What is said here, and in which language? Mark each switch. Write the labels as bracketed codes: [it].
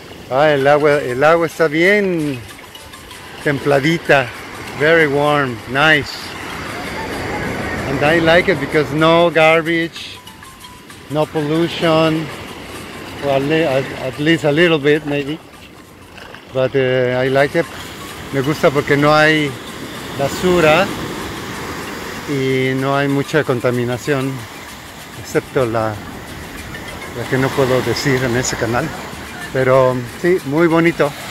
[es] Ah, el agua está bien templadita, [en] very warm, nice. And I like it because no garbage, no pollution, well, at least a little bit maybe. But I like it. [es] Me gusta porque no hay basura y no hay mucha contaminación, excepto la que no puedo decir en ese canal, pero sí, muy bonito.